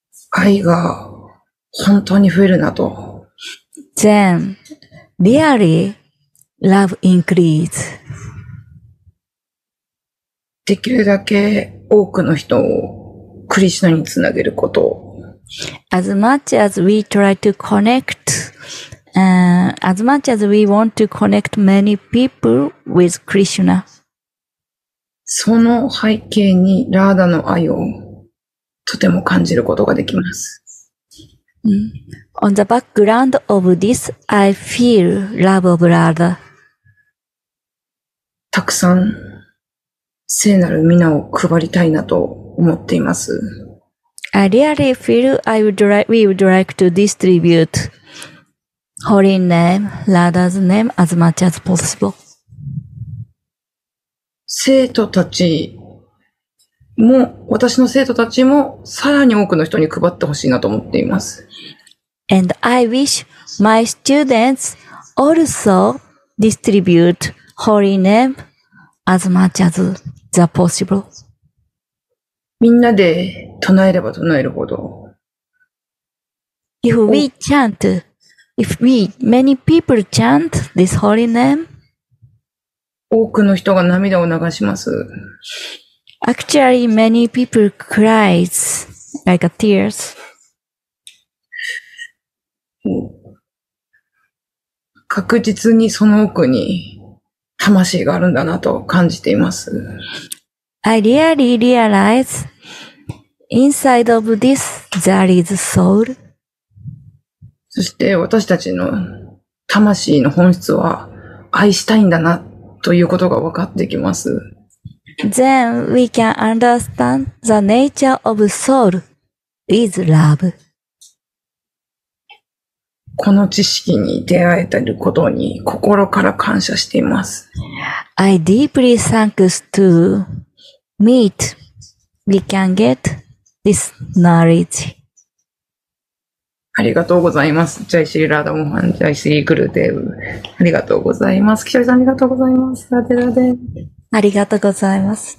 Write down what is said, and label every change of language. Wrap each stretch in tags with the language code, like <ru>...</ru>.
<ja>愛が本当に増えるなと。</ja> <en>Then, really, love increase.</en> <ja>できるだけ多くの人をクリシナにつなげること。</ja> <en>As much as we try to connect, as much as we want to connect many people with Krishna.</en> <ja>その背景にラーダの愛をとても感じることができます。</ja> <en>On the background of this, I feel love of Radha.</en> <ja>たくさん聖なる皆を配りたいなと思っています。</ja> <en>I really feel I would like, we would like to distribute holy name, Radha's name as much as possible.</en> <ja>生徒たちも、私の生徒たちもさらに多くの人に配ってほしいなと思っています。</ja> <en>And I wish my students also distribute holy name as much as the possible.</en> <ja>みんなで唱えれば唱えるほど。</ja> <en>If we chant, if we, many people chant this holy name,</en> <ja>多くの人が涙を流します。</ja> <en>Actually, many people cries like a tears.</en> <ja>確実にその奥に魂があるんだなと感じています。</ja> <en>I really realize inside of this there is soul.</en> <ja>そして私たちの魂の本質は愛したいんだなということが分かってきます。</ja> <en>Then we can understand the nature of soul is love.</en> <ja>この知識に出会えていることに心から感謝しています。</ja> <en>I deeply thanks to meet we can get this knowledge.</en> <ja>ありがとうございます。ジャイシリラダモハン、ジャイシリグルデブ。ありがとうございます。キシャリさんありがとうございます。ラデラデ。ありがとうございます。</ja>